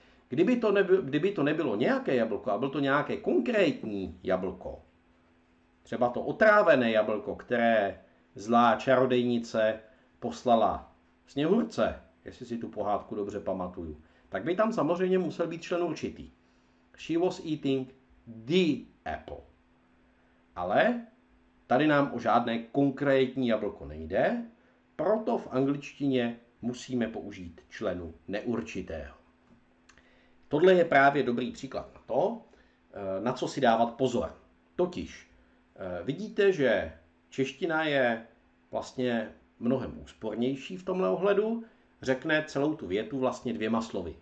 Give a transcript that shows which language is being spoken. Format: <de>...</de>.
<cs>Kdyby to nebylo nějaké jablko a bylo to nějaké konkrétní jablko, třeba to otrávené jablko, které zlá čarodejnice poslala Sněhurce, jestli si tu pohádku dobře pamatuju, tak by tam samozřejmě musel být člen určitý.</cs> <en>She was eating the apple.</en> <cs>Ale tady nám o žádné konkrétní jablko nejde, proto v angličtině musíme použít členu neurčitého. Tohle je právě dobrý příklad na to, na co si dávat pozor. Totiž vidíte, že čeština je vlastně mnohem úspornější v tomhle ohledu, řekne celou tu větu vlastně dvěma slovy.</cs>